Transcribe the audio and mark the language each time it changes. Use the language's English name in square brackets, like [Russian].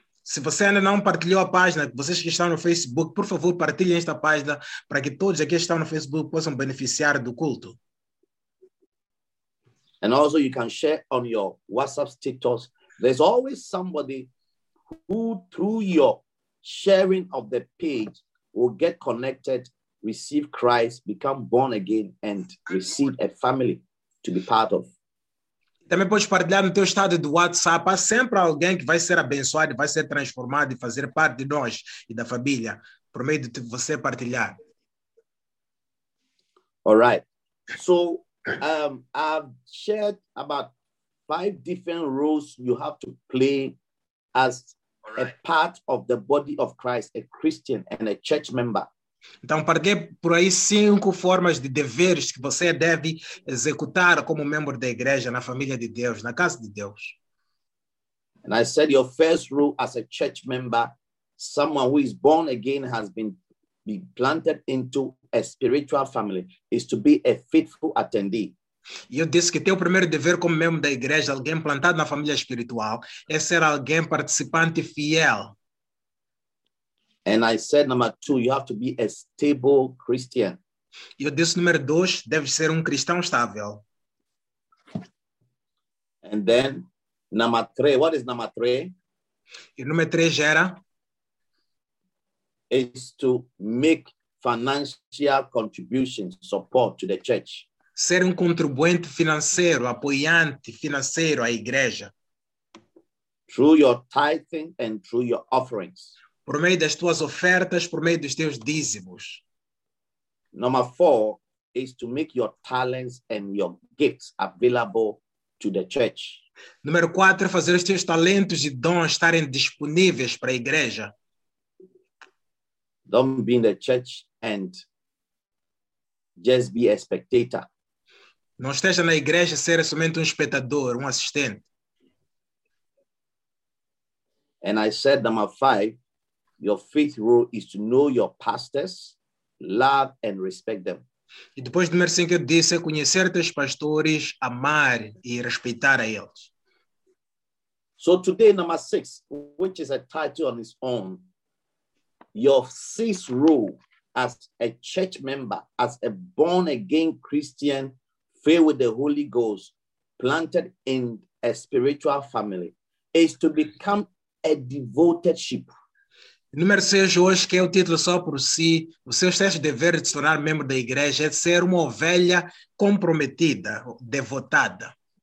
[Portuguese] Se você ainda não partilhou a página, vocês que estão no Facebook, por favor, partilhem esta página para que todos aqui que estão no Facebook possam beneficiar do culto. [English] And also you can share on your WhatsApp status. There's always somebody who, through your sharing of the page, will get connected, receive Christ, become born again, and receive a family to be part of. [Portuguese] Também podes partilhar no teu estado do WhatsApp. Há sempre alguém que vai ser abençoado, vai ser transformado e fazer parte de nós e da família por meio de você partilhar. [English] All right. So, I've shared about 5 different roles you have to play as a part of the body of Christ, a Christian and a church member. [Portuguese] Então, partilhei por aí 5 formas de deveres que você deve executar como membro da igreja, na família de Deus, na casa de Deus. [English] And I said your first rule as a church member, someone who is born again has been planted into a spiritual family, is to be a faithful attendee. [Portuguese] E eu disse que teu primeiro dever como membro da igreja, alguém plantado na família espiritual, é ser alguém participante fiel. [English] And I said, number 2, you have to be a stable Christian. [Portuguese] Eu disse, número 2, deve ser cristão estável. [English] And then, number 3, what is number 3? [Portuguese] E número 3 era? [English] Is to make financial contributions, support to the church. [Portuguese] Ser contribuinte financeiro, apoiante financeiro à igreja. [English] Through your tithing and through your offerings. [Portuguese] Por meio das tuas ofertas, por meio dos teus dízimos. [English] Number 4 is to make your talents and your gifts available to the church. [Portuguese] Número 4 é fazer os teus talentos e dons estarem disponíveis para a igreja. [English] Don't be in the church and just be a spectator. [Portuguese] Não esteja na igreja ser somente espectador, assistente. [English] And I said, number five, your fifth rule is to know your pastors, love and respect them. [Portuguese] E depois do número 5, eu disse é conhecer teus pastores, amar e respeitar a eles. [English] So today, number 6, which is a title on its own, your sixth rule as a church member, as a born-again Christian, filled with the Holy Ghost, planted in a spiritual family, is to become a devoted sheep. [Portuguese] Número 6 hoje, que é o título só por si, o seu sexto dever de se tornar membro da igreja é de ser uma ovelha comprometida, devotada.